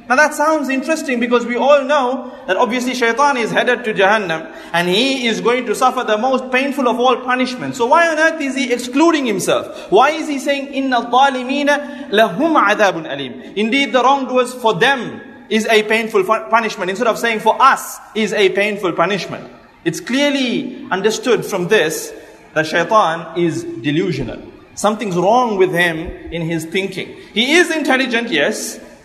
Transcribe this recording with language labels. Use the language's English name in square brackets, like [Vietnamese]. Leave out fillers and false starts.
[English] Now that sounds interesting, because we all know that obviously shaitan is headed to Jahannam and he is going to suffer the most painful of all punishments. So why on earth is he excluding himself? Why is he saying, [Arabic] إِنَّ الظَّالِمِينَ لَهُمْ عَذَابٌ أَلِيمٌ. [English] Indeed, the wrongdoers, for them is a painful punishment, instead of saying for us is a painful punishment. It's clearly understood from this that shaitan is delusional. Something's wrong with him in his thinking. He is intelligent, yes.